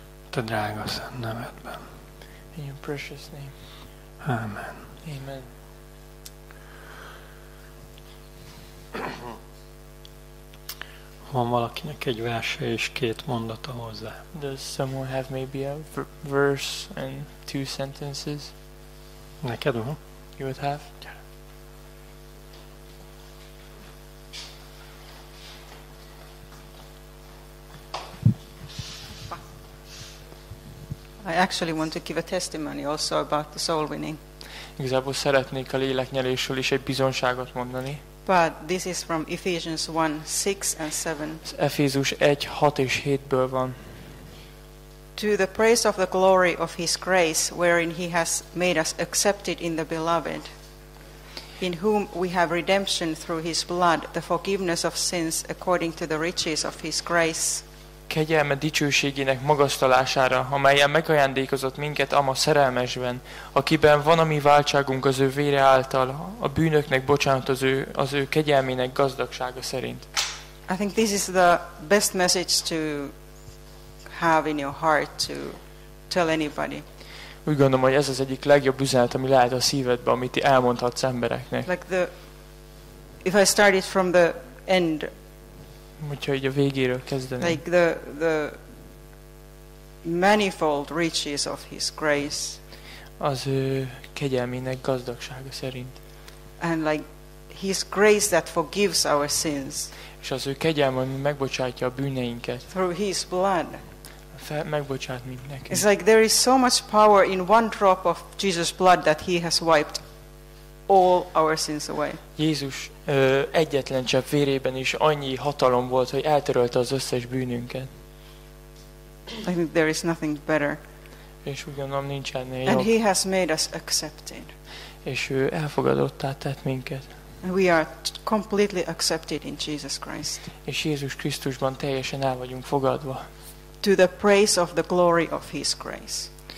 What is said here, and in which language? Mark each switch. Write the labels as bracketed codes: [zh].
[hu] Te drága szent nevedben. [en] In your precious name. [hu] Amen. [en] Amen. [hu] Van valakinek egy verse és két mondata hozzá? [en] Does someone have maybe a verse and two sentences? [hu] Neked van? [en] You would have? I actually want to give a testimony also about the soul winning. [hu] Igazából szeretnék a léleknyelésről is egy bizonságot mondani. [en] But this is from Ephesians 1:6 and 7. [hu] Efézus 1:6 és 7-ből van. [en] To the praise of the glory of his grace, wherein he has made us accepted in the beloved, in whom we have redemption through his blood, the forgiveness of sins according to the riches of his grace. [hu] Kegyelme dicsőségének magasztalására, amelyen megajándékozott minket ama szerelmesben, akiben van a mi váltságunk az ő vére által, a bűnöknek bocsánat az ő kegyelmének gazdagsága szerint. [en] I think this is the best message to have in your heart to tell anybody. [hu] Úgy gondolom, hogy ez az egyik legjobb üzenet, ami lehet a szívedben, amit elmondhatsz embereknek. [en] Like the, if I started from the end, [hu] hogyha így a végéről kezdeni. [en] Like the manifold riches of his grace. [hu] Az ő kegyelmének gazdagsága szerint. [en] And like his grace that forgives our sins. [hu] És az ő kegyelme, ami megbocsátja a bűneinket. [en] Through his blood. [hu] Megbocsát mind nekünk. [en] It's like there is so much power in one drop of Jesus' blood that he has wiped all our sins away. [hu] Jézus egyetlen csepp vérében is annyi hatalom volt, hogy eltörölte az összes bűnünket. [en] I think there is nothing better. [hu] És úgy gondolom, nincs ennél jobb. [en] And he has made us accepted. [hu] És ő elfogadottá tett minket. [en] And we are completely accepted in Jesus Christ. [hu] És Jézus Krisztusban teljesen el vagyunk fogadva. [en] To the praise of the glory of his grace.